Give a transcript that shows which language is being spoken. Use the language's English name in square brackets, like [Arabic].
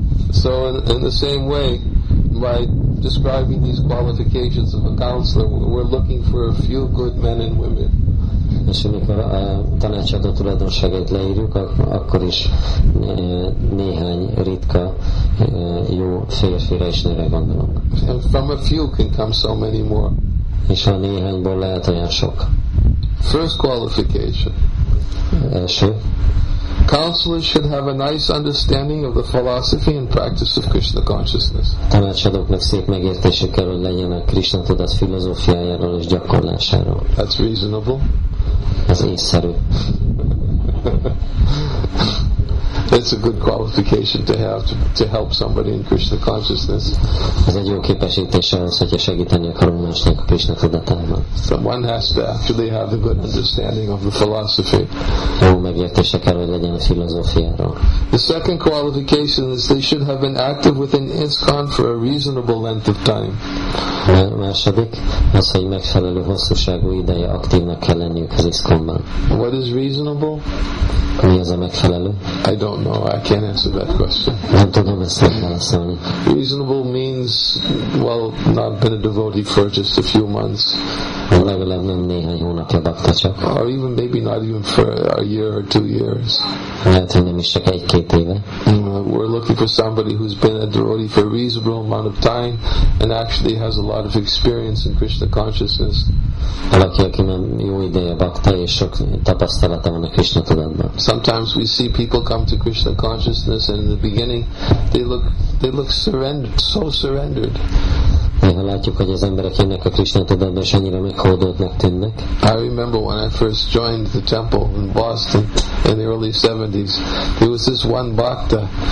[English] So in the same way, by describing these qualifications of a counselor, we're looking for a few good men and women. [Hungarian] És amikor a tanácsadó tulajdonságait leírjuk, akkor is néhány ritka jó férfire és nőre gondolunk. [English] And from a few can come so many more. [Hungarian] És a néhányból lehet olyan sok. [English] First qualification. [Hungarian] Első. [English] Counselors should have a nice understanding of the philosophy and practice of Krishna consciousness. [Hungarian] Tanácsadóknak szép megértésük kell, hogy legyen a Krishna tudat filozófiájáról és gyakorlásáról. [English] That's reasonable. [Hungarian] Ez észszerű. [English] It's a good qualification to have to help somebody in Krishna consciousness. [Hungarian] Ez egy jó képesítés ahhoz, hogyha segíteni akarunk másnak a Krishna tudatában. [English] Someone has to actually have a good understanding of the philosophy. [Hungarian] Jó megértése kell, hogy legyen a filozófiáról. [English] The second qualification is they should have been active within ISKCON for a reasonable length of time. [Hungarian] Második, az, hogy megfelelő hosszúságú ideje aktívnak kell lenniük az ISKCON-ban. [English] What is reasonable? [Hungarian] Mi az a megfelelő? [English] I don't know. I can't answer that question. [Hungarian] Nem tudom ezt megválaszolni. [English] Reasonable means, well, not been a devotee for just a few months. [Hungarian] Legalább nem néhány hónapja bakta csak. [English] Or even maybe not even for a year or 2 years. [Hungarian] Lehet, hogy nem is csak egy-két éve. [English] We're looking for somebody who's been a devotee for a reasonable amount of time and actually has a lot of experience in Krishna consciousness. [Hungarian] Valaki, aki már jó ideje bakta és sok tapasztalata van a Krishna tudatban. [English] Sometimes we see people come to Krishna consciousness and in the beginning they look surrendered, so surrendered. [Hungarian] Néha látjuk, hogy az emberek jönnek a Krishna tudatba, és annyira meghódoltnak tűnnek. [English] I remember when I first joined the temple in Boston in the early 70s, there was this one bhakta.